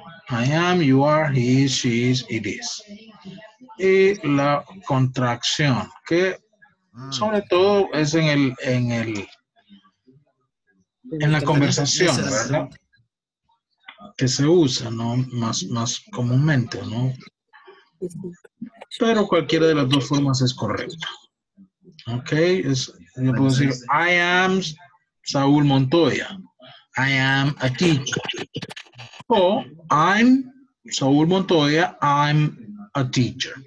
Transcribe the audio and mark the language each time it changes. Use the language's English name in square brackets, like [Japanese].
[English] I am, you are, he is, she is, it is. [Spanish] Y la contracción, que sobre todo es en el, en la conversación, ¿verdad? Que se usa, ¿no? Más comúnmente, ¿no? Pero cualquiera de las dos formas es correcto. Ok, es, yo puedo decir, [English] I am Saúl Montoya. I am a teacher. O I'm Saúl Montoya, I'm a teacher.